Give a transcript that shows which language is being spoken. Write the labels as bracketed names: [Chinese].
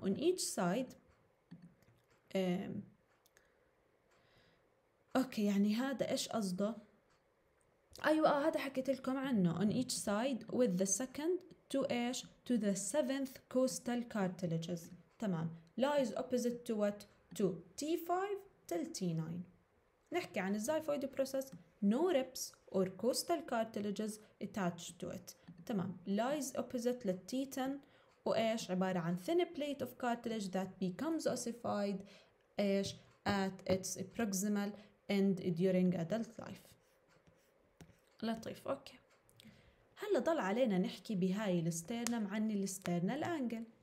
[English] on each side [Arabic] اوكي، يعني هذا ايش قصده؟ ايوه هذا حكيت لكم عنه. [English] On each side with the second to ايش؟ To the seventh costal cartilages تمام. lies opposite to what؟ to T5 till T9. [Arabic] نحكي عن [English] الزايفويد process, no ribs or costal cartilages attached to it تمام. lies opposite لل T10 [Arabic] وايش؟ عبارة عن [English] thin plate of cartilage that becomes ossified ايش؟ at its proximal end during adult life. [Arabic] لطيف اوكي. هلا ضل علينا نحكي بهاي الاسترنم عن الاسترنال انجل.